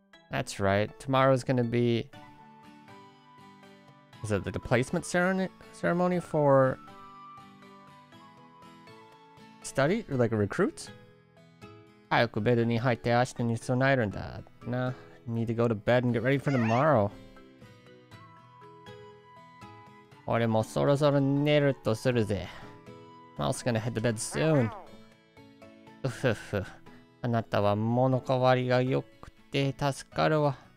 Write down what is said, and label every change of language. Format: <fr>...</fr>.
<en>That's right. Tomorrow's gonna be... Is it the placement ceremony for... Study? Or like a recruit?</en> <ja>早くベッドに入って明日に備えるんだな。</ja> <en>Need to go to bed and get ready for tomorrow.</en> <ja>俺もそろそろ寝るとするぜ。</ja> <en>マウス gonna head to bed soon. うふふ。</en> <ja>あなたは物変わりが良くて助かるわ。</ja>